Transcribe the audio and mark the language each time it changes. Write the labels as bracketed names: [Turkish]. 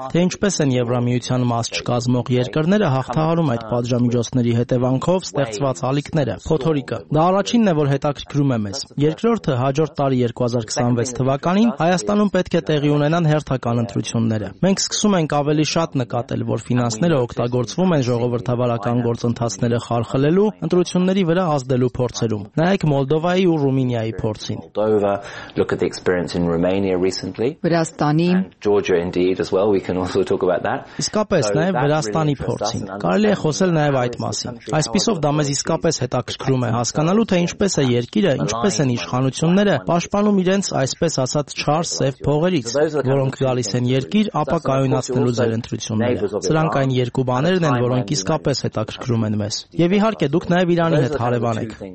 [Armenian] թե ինչպես են Եվրամիության մաս չկազմող երկրները հաղթահարում այդ պատժամիջոցների հետևանքով ստեղծված ալիքները, փոթորիկը։ Դա առաջինն է, որ հետաքրքրում է մեզ։ Երկրորդը, հաջորդ տարի 2026 թվականին Հայաստանում պետք է տեղի ունենան հերթական ընտրությունները։ Մենք սկսում ենք ավելի շատ նկատել, որ ֆինանսները օգտագործվում են ժողովրդավարական գործընթացները խարխլելու, ընտրությունների վրա ազդելու փորձերում։ Նայեք Մոլդովայի ու Ռումինիայի փորձին։ [English] Look at the experience in Romania recently. [Armenian] Վրաստանի, [English] Georgia indeed as well, we can also talk about that. [Armenian] Իսկապես, նաև Վրաստանի փորձին։ Կարելի է խոսել նաև այդ մասին։ Այսպիսով դա մեզ իսկապես հետաքրքրում է հասկանալու, թե ինչպես է երկիրը, ինչպես են իշխանությունները պաշտպանում իրենց, այսպես ասած, չար սև փողերից, որոնք գալիս են երկիր, ապա կայունացնելու ձեր ընտրությունները։ Սրանք այն երկու բաներն են, որոնք իսկապես հետաքրքրում են մեզ։ Եվ իհարկե, դուք նաև Իրանի հետ հարևան եք։